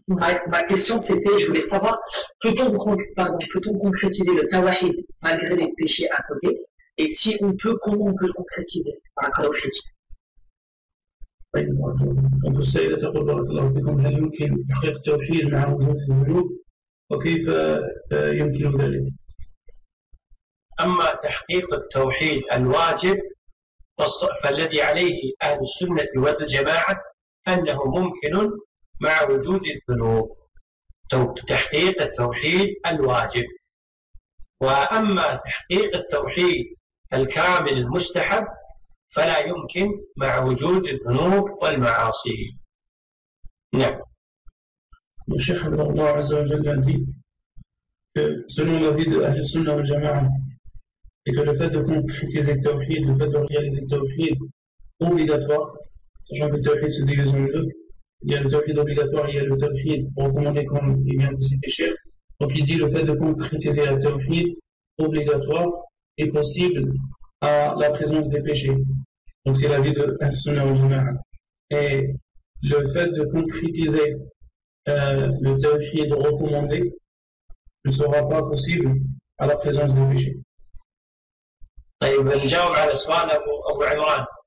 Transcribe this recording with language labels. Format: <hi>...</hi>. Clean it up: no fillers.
<fr>Ma question c'était, je voulais savoir, peut-on concrétiser le tawahid malgré les péchés à côté? Et si on peut, comment on peut le concrétiser? On peut essayer de dire que le tawahid est possible avec le présent des péchés. Et comment est-ce que vous pouvez le faire?</fr> <ar>أما تحقيق التوحيد الواجب فالذي عليه أهل السنة والجماعة أنه ممكن مع وجود الذنوب، تحقيق التوحيد الواجب. وأما تحقيق التوحيد الكامل المستحب فلا يمكن مع وجود الذنوب والمعاصي. نعم. شيخ الله عز وجل سنو نفيد أهل السنة والجماعة،</ar> <fr>et que le fait de concrétiser le tawhid, le fait de réaliser le tawhid obligatoire, sachant que le tawhid se divise en deux, il y a le tawhid obligatoire, il y a le tawhid recommandé comme il vient de citer Cheikh. Donc il dit le fait de concrétiser le tawhid obligatoire est possible à la présence des péchés. Donc c'est l'avis de Al-Sunnah al-Jama'a. Et le fait de concrétiser le tawhid recommandé ne sera pas possible à la présence des péchés.</fr> <ar>طيب نجاوب على سؤال أبو عمران.</ar>